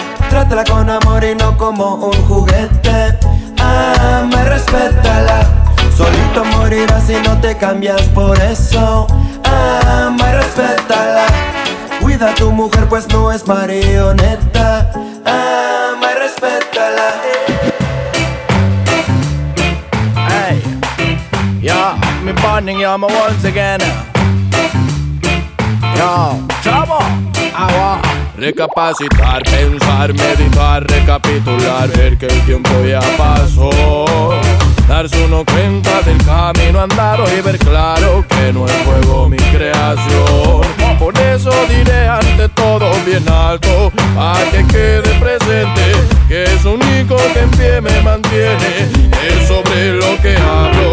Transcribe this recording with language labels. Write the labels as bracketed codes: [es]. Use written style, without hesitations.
[es] Trátala con amor y no como un juguete. Ama y respétala. Solito morirás si no te cambias por eso. Ama y respétala. Cuida a tu mujer pues no es marioneta. Ama y respétala. [en] Hey, yeah, me burning you yeah, once again. [es] Yo, chamo, agua. Recapacitar, pensar, meditar, recapitular, ver que el tiempo ya pasó. Darse uno cuenta del camino andado y ver claro que no es juego mi creación. Por eso diré ante todo bien alto, para que quede presente, que es único que en pie me mantiene, es sobre lo que hablo.